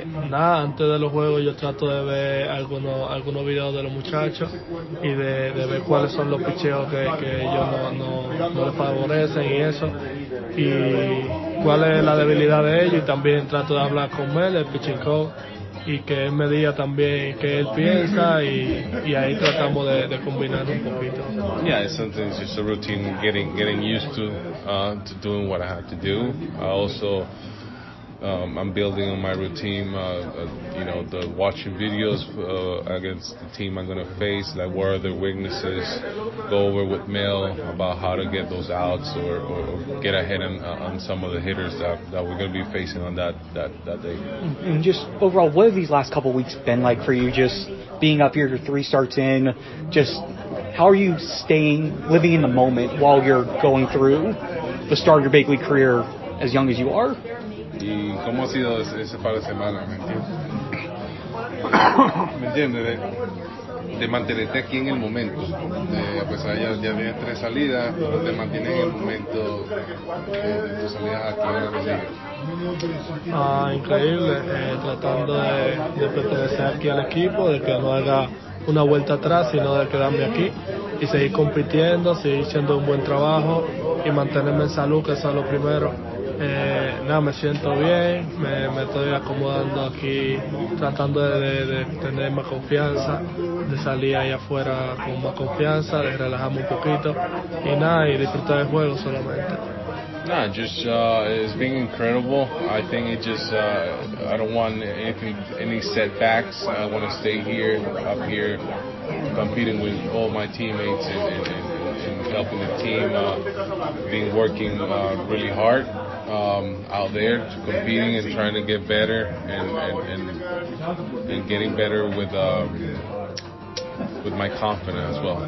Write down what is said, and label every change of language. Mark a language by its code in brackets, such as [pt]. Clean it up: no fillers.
[es] Nada, antes de los juegos yo trato de ver algunos videos de los muchachos y de ver cuáles son los picheos que ellos no les favorecen y eso, y cuál es la debilidad de ellos, y también trato de hablar con Mel, el pitching coach, y que él me diga también qué él piensa, y ahí tratamos de combinar un poquito. [en] Yeah, it's something, it's just a routine, getting used to doing what I have to do. Also, I'm building on my routine, the watching videos against the team I'm going to face, like what are their weaknesses, go over with Mel about how to get those outs or get ahead on some of the hitters that we're going to be facing on that day. And just overall, what have these last couple weeks been like for you, just being up here, your three starts in, just how are you staying, living in the moment while you're going through the start of your big league career as young as you are? [es] Y cómo ha sido ese par de semanas, ¿me entiendes? ¿Me entiendes? De mantenerte aquí en el momento. A pesar de ya tienes tres salidas, pero te mantienes en el momento de tus salidas aquí en la liga. Increíble. Tratando de pertenecer aquí al equipo, de que no haga una vuelta atrás, sino de quedarme aquí y seguir compitiendo, seguir haciendo un buen trabajo y mantenerme en salud, que eso es lo primero. Me siento bien, me estoy acomodando aquí, tratando de tener más confianza, de salir ahí afuera con más confianza, de relajarme un poquito, y nada, y disfrutar del juego solamente. [en] Nah, just it's been incredible. I think it just I don't want any setbacks. I want to stay here, up here, competing with all my teammates and helping the team. Been working really hard out there, competing and trying to get better and getting better with my confidence as well.